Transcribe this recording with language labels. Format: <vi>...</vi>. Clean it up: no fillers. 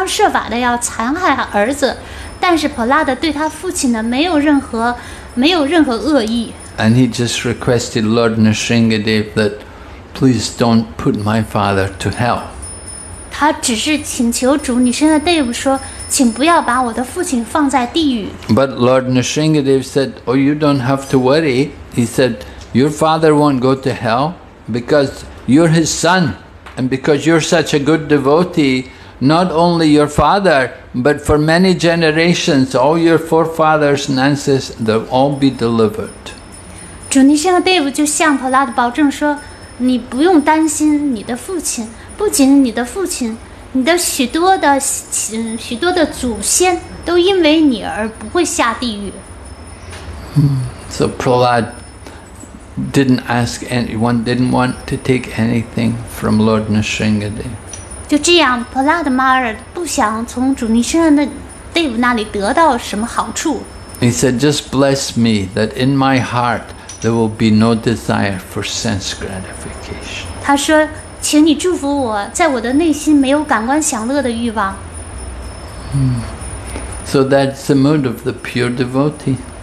<zh>即便作为父亲想方设法的要残害儿子, 但是Prahlad对他父亲的没有任何恶意。</zh> <en>And he just requested Lord Nrisimhadev that please don't put my father to hell.</en> <zh>他只是请求主尼圣的Dave说, 请不要把我的父亲放在地狱。</zh> <en>But Lord Nrisimhadev said, oh, you don't have to worry. He said, your father won't go to hell because you're his son. And because you're such a good devotee, not only your father, but for many generations, all your forefathers and ancestors, they'll all be delivered.</en> <zh>主尼圣的Dave就向Prahlad保证说, 你不用担心你的父亲，不仅你的父亲，你的许多的许多的祖先都因为你而不会下地狱。</zh> <en>So Prahlad didn't ask anyone, didn't want to take anything from Lord Nrisimhadev.</en> <zh>就这样，Prahlad Maharaj不想从主尼圣的Dave那里得到什么好处。</zh> <en>He said, "Just bless me that in my heart." There will be no desire for sense gratification.</en> <zh>他说, 请你祝福我, 在我的内心没有感官享乐的欲望。</zh> <en>So that's the mood of the pure devotee.</en>